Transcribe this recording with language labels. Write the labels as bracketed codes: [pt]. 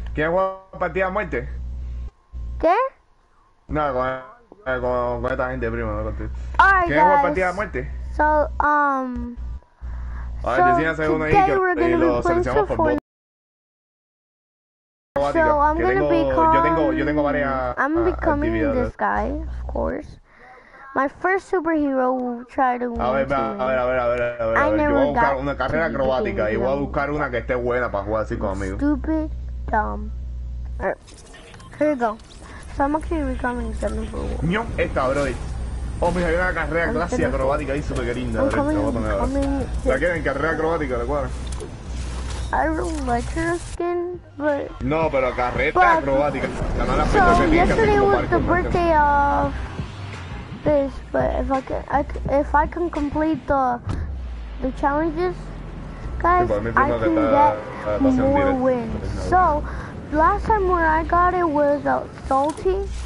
[es] ¿Quieres jugar partida a muerte? ¿Qué? No, con esta gente, primo, no contigo. [en] Alright, [es] ¿quieres jugar partida a muerte? [en] So, [es] a ver, decía segundo ahí que lo seleccionamos por voz. [en] So, I'm gonna become... [es] Yo tengo varias [en] I'm becoming this guy, of course. My first superhero will try to win. [es] A ver. Yo voy a buscar una carrera acrobática y voy a buscar una que esté buena para jugar así conmigo. [en] Stupid. Dumb. Here you go. So I'm actually becoming Jennifer Walters. [es] Mion, esta, bro. Oh, mira, hay una carrera clase acrobática ahí, súper linda. ¿La quieren? Carrera acrobática, ¿de acuerdo? [en] I don't like her skin, but... [es] No, pero carreta acrobática. [en] So, yesterday was the birthday of this, but if I can, complete the challenges, guys, I can get more wins. So, last time when I got it was salty.